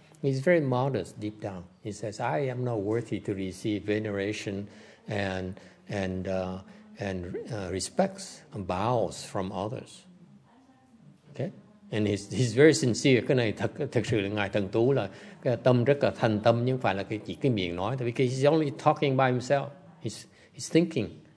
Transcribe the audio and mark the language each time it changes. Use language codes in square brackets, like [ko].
[en] He's very modest deep down. He says, "I am not worthy to receive veneration and respects and bows from others." Okay, and he's very sincere. [vi] Cái này thực sự là ngài Thần Tú là cái tâm rất là thành tâm, nhưng phải là chỉ cái miệng nói. [en] Because he's only talking by himself. He's thinking.